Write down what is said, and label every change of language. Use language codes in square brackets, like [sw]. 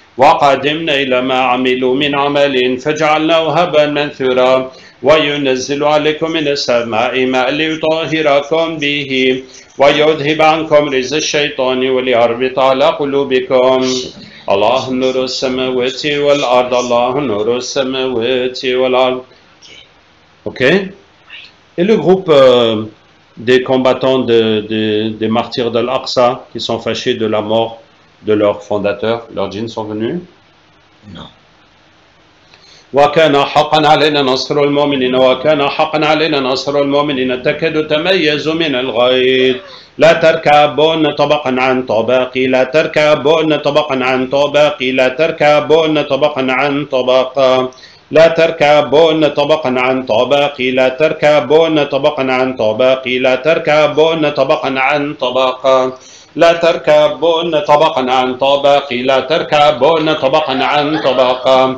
[ar] وقدمنا إلى ما عملوا من عمل فجعلناه هبا منثورا، وينزل عليكم من السماء ماء ليطهركم به، ويذهب عنكم رجس الشيطان وليربط على قلوبكم. الله نور السماوات والأرض، الله نور السماوات والأرض. [en] Okay. [fr] Et le groupe des combattants des martyrs de l'Aqsa qui sont fâchés de la mort de leur fondateur, leurs djinns sont venus? Non. [ar] وكان حقا علينا نصر المؤمنين، وكان حقا علينا نصر المؤمنين، التكاد تميز من الغيظ. لا تركبون طبقا عن طبق، لا تركبون طبقا عن طبق، لا تركبون طبقا عن طبق، لا تركبون طبقا عن طبق، لا تركبون طبقا عن طبق، لا تركبون طبقا عن طبق، لا تركبون طبقا عن طبق، لا تركبون طبقا عن طبق،